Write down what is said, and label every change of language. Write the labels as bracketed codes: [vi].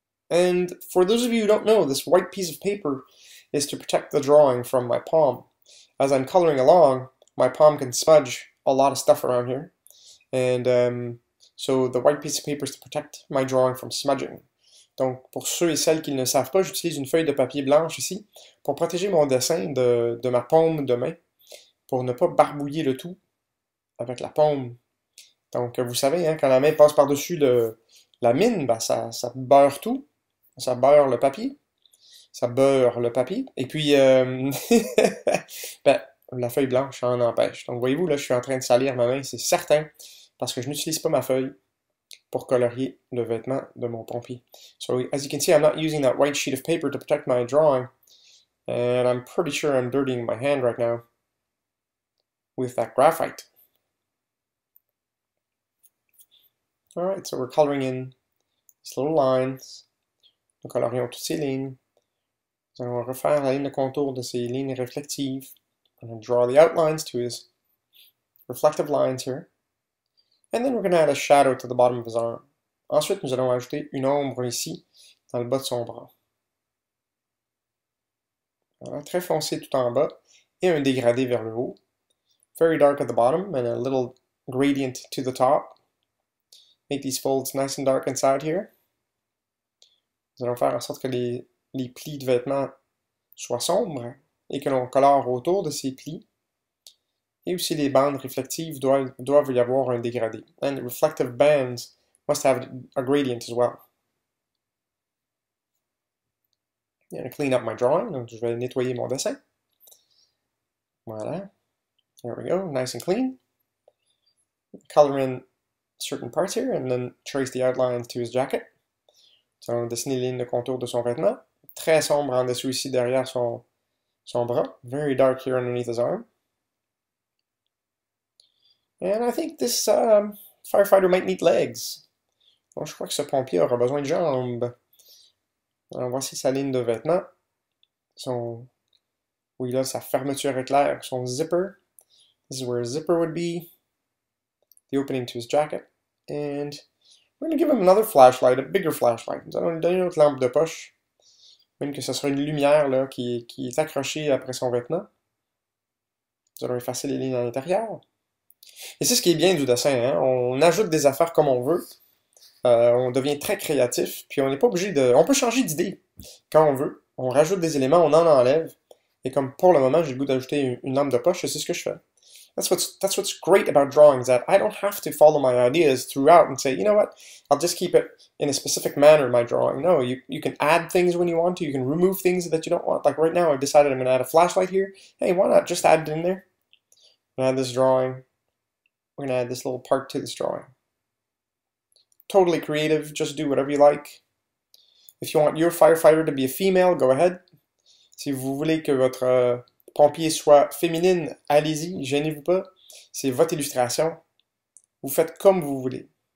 [en] And for those of you who don't know, this white piece of paper is to protect the drawing from my palm. As I'm coloring along, my palm can smudge a lot of stuff around here. And so the white piece of paper is to protect my drawing from smudging. [fr] Donc, pour ceux et celles qui ne savent pas, j'utilise une feuille de papier blanche ici pour protéger mon dessin de ma paume de main, pour ne pas barbouiller le tout avec la paume. Donc, vous savez, hein, quand la main passe par-dessus la mine, bah, ça beurre tout. Ça beurre le papier. Ça beurre le papier. Et puis, ben, la feuille blanche en empêche. Donc, voyez-vous, là, je suis en train de salir ma main, c'est certain, parce que je n'utilise pas ma feuille pour colorier le vêtement de mon pompier. [en] So, as you can see, I'm not using that white sheet of paper to protect my drawing. And I'm pretty sure I'm dirtying my hand right now with that graphite. All right, so we're coloring in these little lines. [fr] Nous colorions toutes ces lignes. Nous allons refaire la ligne de contour de ces lignes réflectives. [en] I'm going to draw the outlines to his reflective lines here. And then we're going to add a shadow to the bottom of his arm. [fr] Ensuite, nous allons ajouter une ombre ici, dans le bas de son bras. Voilà, très foncé tout en bas, et un dégradé vers le haut. [en] Very dark at the bottom, and a little gradient to the top. Make these folds nice and dark inside here. [fr] Nous allons faire en sorte que les plis de vêtements soient sombres et que l'on colore autour de ces plis. Et aussi les bandes réflectives doivent y avoir un dégradé. [en] And the reflective bands must have a gradient as well. I'm going to clean up my drawing. [fr] Donc je vais nettoyer mon dessin. Voilà. [en] There we go. Nice and clean. Color in certain parts here and then trace the outline to his jacket. [fr] Nous allons dessiner les lignes de contour de son vêtement. Très sombre en dessous ici derrière son bras. [en] Very dark here underneath his arm. And I think this firefighter might need legs. [fr] Bon, je crois que ce pompier aura besoin de jambes. Alors voici sa ligne de vêtement. Il a sa fermeture éclair, son zipper. [en] This is where his zipper would be. The opening to his jacket. And we're going to give him another flashlight, a bigger flashlight. [fr] Nous allons lui donner une autre lampe de poche. Même que ce soit une lumière là, qui est accrochée après son vêtement. Nous allons effacer les lignes à l'intérieur. Et c'est ce qui est bien du dessin. Hein? On ajoute des affaires comme on veut. On devient très créatif. Puis on n'est pas obligé de... On peut changer d'idée quand on veut. On rajoute des éléments, on en enlève. Et comme pour le moment, j'ai le goût d'ajouter une lampe de poche, c'est ce que je fais. [en] That's what's great about drawing, is that I don't have to follow my ideas throughout and say, you know what, I'll just keep it in a specific manner in my drawing. No, you can add things when you want to, you can remove things that you don't want. Like right now, I've decided I'm going to add a flashlight here. Hey, why not just add it in there? I'm going to add this drawing. We're going to add this little part to this drawing. Totally creative, just do whatever you like. If you want your firefighter to be a female, go ahead. [fr] Si vous voulez que votre pompier soit féminine, allez-y, gênez-vous pas, c'est votre illustration, vous faites comme vous voulez.